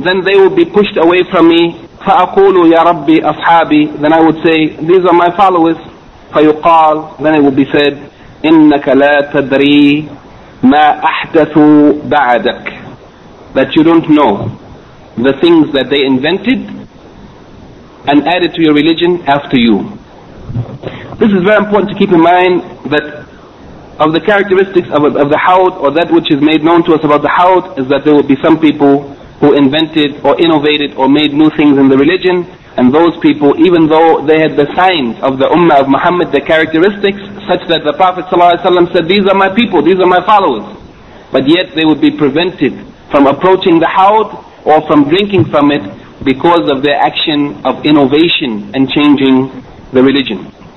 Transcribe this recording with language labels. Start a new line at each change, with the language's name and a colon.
English: Then they will be pushed away from me.
Arabic: فَأَقُولُ يَا رَبِّ أَصْحَابِي.
English: Then I would say, these are my followers.
Arabic: فَيُقَالُ.
English: Then it would be said,
Arabic: إِنَّكَ لَا تَدْرِي مَا أَحْدَثُ بَعَدَكَ.
English: That you don't know the things that they invented and added to your religion after you. This is very important to keep in mind, that of the characteristics of the Hawd, or that which is made known to us about the Hawd, is that there will be some people who invented or innovated or made new things in the religion, and those people, even though they had the signs of the Ummah of Muhammad, the characteristics such that the Prophet ﷺ said, these are my people, these are my followers, but yet they would be prevented from approaching the Hawd or from drinking from it because of their action of innovation and changing the religion.